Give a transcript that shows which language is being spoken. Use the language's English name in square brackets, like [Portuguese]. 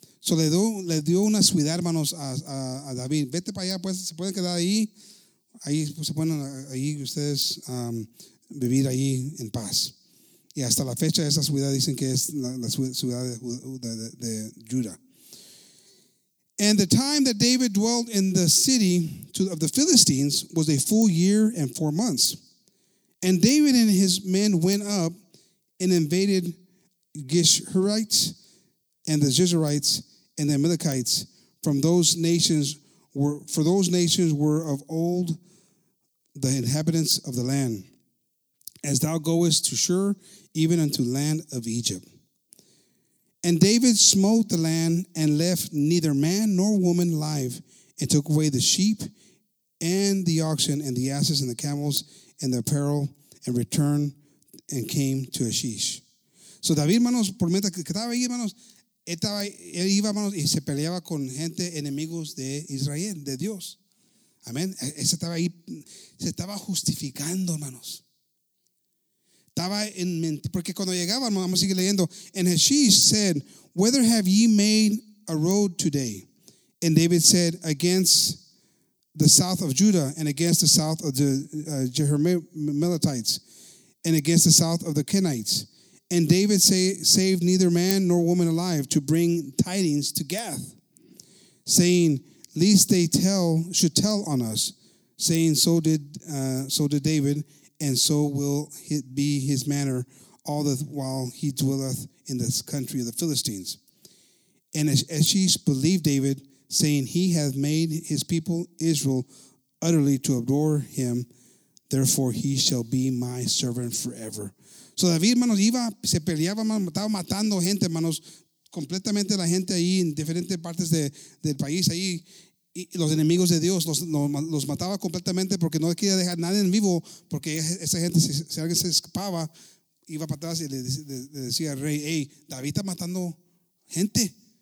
[Spanish] So le dio una ciudad, hermanos, a David. Vete para allá, pues, se pueden quedar ahí. Ahí pues, se pueden ahí ustedes vivir ahí en paz. Y hasta la fecha esa ciudad dicen que es la ciudad de Judah. [English] And the time that David dwelt in the city of the Philistines was a full year and 4 months. And David and his men went up and invaded Geshurites and the Jezreelites and the Amalekites from those nations, were of old the inhabitants of the land, as thou goest to Shur, even unto the land of Egypt. And David smote the land and left neither man nor woman alive and took away the sheep and the oxen and the asses and the camels and the apparel and returned and came to Achish. [Spanish] So David, hermanos, por mientras que estaba ahí, hermanos, estaba, él iba, hermanos, y se peleaba con gente enemigos de Israel, de Dios. Amén. Ese estaba ahí, se estaba justificando, hermanos. Estaba en mente, porque cuando llegaba, vamos a seguir leyendo. [English] And Achish said, whither have ye made a road today? And David said, against the south of Judah, and against the south of the Jehoramelites, and against the south of the Kenites. And David saved neither man nor woman alive to bring tidings to Gath, saying, lest they should tell on us, saying, so did David. And so will it be his manner all the while he dwelleth in this country of the Philistines. And Achish believed David, saying, he hath made his people Israel utterly to adore him. Therefore he shall be my servant forever. [Spanish] So David, hermanos, iba, se peleaba, estaba matando gente, hermanos, completamente la gente ahí en diferentes partes del país ahí. Los enemigos de Dios los mataba completamente porque no quería dejar nadie en vivo porque esa gente, si alguien se escapaba, iba para atrás y le decía al rey, hey, David está matando gente.